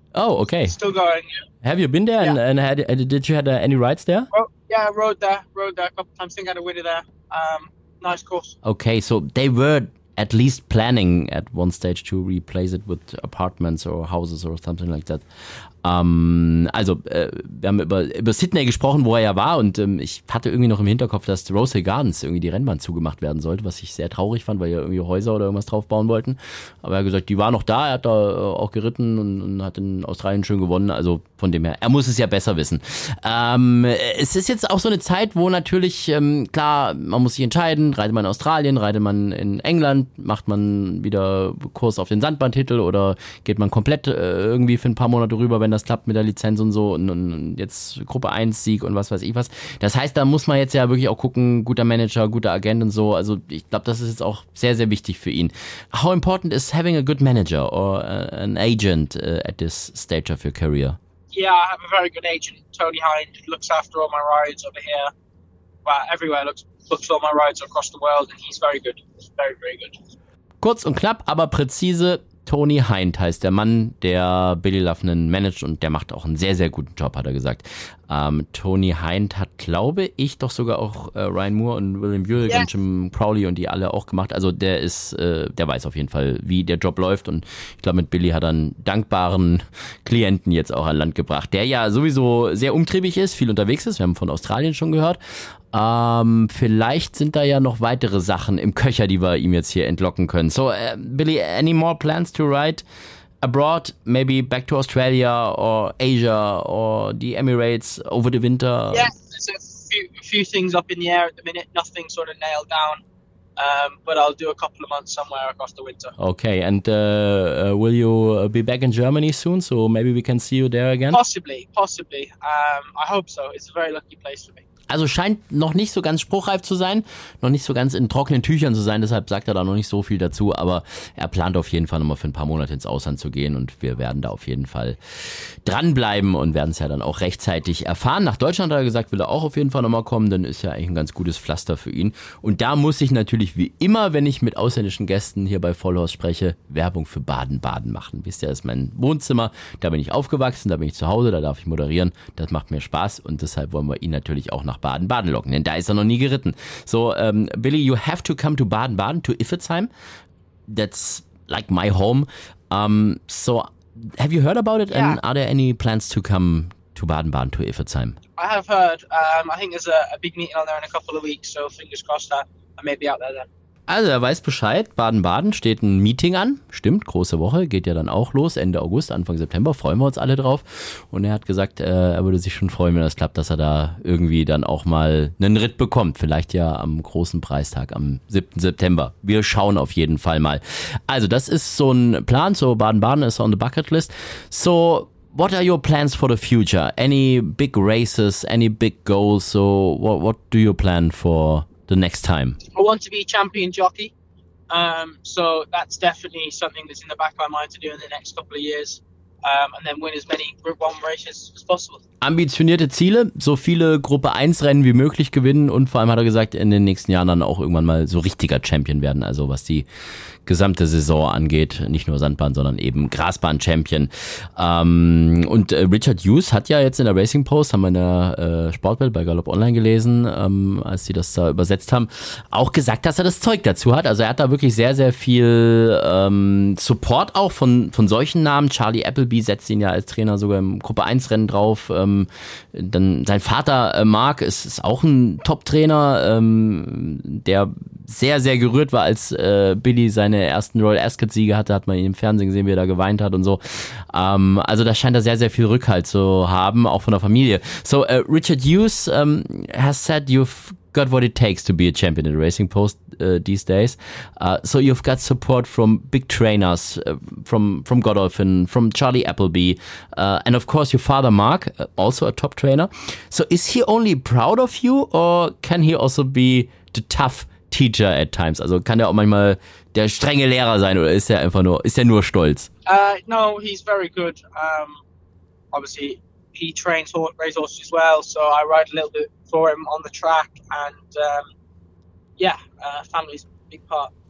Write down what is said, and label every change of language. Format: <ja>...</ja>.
<en>Oh, okay. It's still going. Yeah. Have you been there? Yeah. And did you have any rides there? Yeah, I rode there. Rode there a couple of times. I think I had a winner there. Nice course. Okay, so they were at least planning at one stage to replace it with apartments or houses or something like that.</en> <de>Also, wir haben über Sydney gesprochen, wo er ja war, und ich hatte irgendwie noch im Hinterkopf, dass Rose Hill Gardens irgendwie die Rennbahn zugemacht werden sollte, was ich sehr traurig fand, weil ja irgendwie Häuser oder irgendwas drauf bauen wollten. Aber er hat gesagt, die war noch da, er hat da auch geritten und hat in Australien schön gewonnen. Also von dem her, er muss es ja besser wissen. Es ist jetzt auch so eine Zeit, wo natürlich, klar, man muss sich entscheiden, reitet man in Australien, reitet man in England, macht man wieder Kurs auf den Sandbahntitel oder geht man komplett irgendwie für ein paar Monate rüber, wenn das klappt mit der Lizenz und so, und jetzt Gruppe 1 Sieg und was weiß ich was. Das heißt, da muss man jetzt ja wirklich auch gucken, guter Manager, guter Agent und so. Also ich glaube, das ist jetzt auch sehr, sehr wichtig für ihn.</de> <en>How important is having a good manager or an agent at this stage of your career? Yeah, I have a very good agent, Tony Hind, who looks after all my rides over here. Well, everywhere, looks all my rides across the world, and he's very good, he's very, very good.</en> <de>Kurz und knapp, aber präzise, Tony Hind heißt der Mann, der Billy Laughlin managt, und der macht auch einen sehr, sehr guten Job, hat er gesagt. Tony Hind hat, glaube ich, doch sogar auch Ryan Moore und William Buell, yes, und Jim Crowley und die alle auch gemacht. Also der ist, der weiß auf jeden Fall, wie der Job läuft, und ich glaube, mit Billy hat er einen dankbaren Klienten jetzt auch an Land gebracht, der ja sowieso sehr umtriebig ist, viel unterwegs ist. Wir haben von Australien schon gehört. Vielleicht sind da ja noch weitere Sachen im Köcher, die wir ihm jetzt hier entlocken können.</de> <en>So, Billy, any more plans to ride abroad, maybe back to Australia or Asia or the Emirates over the winter? Yes, there's a few things up in the air at the minute, nothing sort of nailed down, but I'll do a couple of months somewhere across the winter. Okay, and will you be back in Germany soon, so maybe we can see you there again? Possibly, I hope so, it's a very lucky place for me.</en> <de>Also scheint noch nicht so ganz spruchreif zu sein, noch nicht so ganz in trockenen Tüchern zu sein, deshalb sagt er da noch nicht so viel dazu, aber er plant auf jeden Fall nochmal für ein paar Monate ins Ausland zu gehen, und wir werden da auf jeden Fall dranbleiben und werden es ja dann auch rechtzeitig erfahren. Nach Deutschland hat er gesagt, will er auch auf jeden Fall nochmal kommen, dann ist ja eigentlich ein ganz gutes Pflaster für ihn. Und da muss ich natürlich wie immer, wenn ich mit ausländischen Gästen hier bei Vollhorst spreche, Werbung für Baden-Baden machen. Wisst ihr, das ist mein Wohnzimmer, da bin ich aufgewachsen, da bin ich zu Hause, da darf ich moderieren, das macht mir Spaß, und deshalb wollen wir ihn natürlich auch nach Baden-Baden locken, denn da ist er noch nie geritten.</de> <en>So, Billy, you have to come to Baden-Baden, to Iffezheim. That's like my home. So, have you heard about it? Yeah. And are there any plans to come to Baden-Baden, to Iffezheim? I have heard. I think there's a big meeting on there in a couple of weeks, so fingers crossed that I may be out there then.</en> <de>Also, er weiß Bescheid, Baden-Baden steht ein Meeting an, stimmt, große Woche, geht ja dann auch los, Ende August, Anfang September, freuen wir uns alle drauf. Und er hat gesagt, er würde sich schon freuen, wenn das klappt, dass er da irgendwie dann auch mal einen Ritt bekommt, vielleicht ja am großen Preistag am 7. September. Wir schauen auf jeden Fall mal. Also, das ist so ein Plan, so Baden-Baden ist</de> <en>on the bucket list. So, what are your plans for the future? Any big races, any big goals, so what do you plan for the next time? I want to be champion jockey, so that's definitely something that's in the back of my mind to do in the next couple of years, and then win as many Group 1 races as possible.</en> <de>Ambitionierte Ziele, so viele Gruppe 1 Rennen wie möglich gewinnen, und vor allem hat er gesagt, in den nächsten Jahren dann auch irgendwann mal so richtiger Champion werden, also was die gesamte Saison angeht, nicht nur Sandbahn, sondern eben Grasbahn-Champion. Und Richard Hughes hat ja jetzt in der Racing Post, haben wir in der Sportwelt bei Galopp Online gelesen, als sie das da übersetzt haben, auch gesagt, dass er das Zeug dazu hat. Also er hat da wirklich sehr, sehr viel Support auch von solchen Namen. Charlie Appleby setzt ihn ja als Trainer sogar im Gruppe 1 Rennen drauf. Dann sein Vater Mark ist auch ein Top-Trainer, der sehr, sehr gerührt war, als Billy seine ersten Royal Ascot-Siege hatte, hat man ihn im Fernsehen gesehen, wie er da geweint hat und so. Also da scheint er sehr, sehr viel Rückhalt zu haben, auch von der Familie.</de> <en>So, Richard Hughes has said you've got what it takes to be a champion in the Racing Post these days. So you've got support from big trainers, from Godolphin, from Charlie Appleby, and of course your father Mark, also a top trainer. So is he only proud of you, or can he also be the tough teacher at times? Also kann er auch manchmal der strenge Lehrer sein, oder ist er einfach nur, ist er nur stolz? No, he's very good. Obviously, he trains race horses as well, so I ride a little bit for him on the track, and family's a big part.</en>